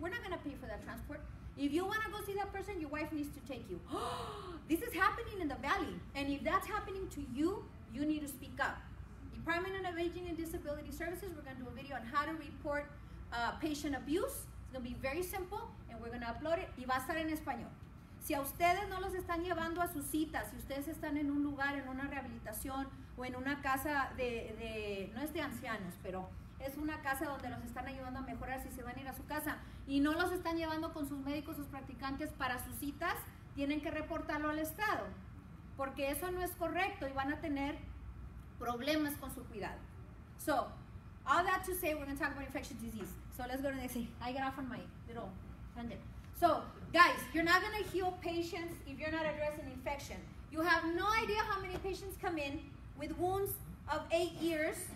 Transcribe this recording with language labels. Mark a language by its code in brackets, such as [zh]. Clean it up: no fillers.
[en] We're not going to pay for that transport. If you want to go see that person, your wife needs to take you. This is happening in the valley. And if that's happening to you, you need to speak up. Department of Aging and Disability Services, we're going to do a video on how to report patient abuse. It's going to be very simple, and we're going to upload it. [es] Y va a estar en español. Si a ustedes no los están llevando a su cita, si ustedes están en un lugar, en una rehabilitación o en una casa de no es de ancianos, pero es una casa donde los están ayudando a mejorar si se van a ir a su casa y no los están llevando con sus médicos, sus practicantes para sus citas, tienen que reportarlo al Estado porque eso no es correcto y van a tener problemas con su cuidado. [en] So, all that to say, we're going to talk about infectious disease. So, let's go to the next thing. I get off on my little tangent. So, guys, you're not going to heal patients if you're not addressing infection. You have no idea how many patients come in with wounds of 8 years.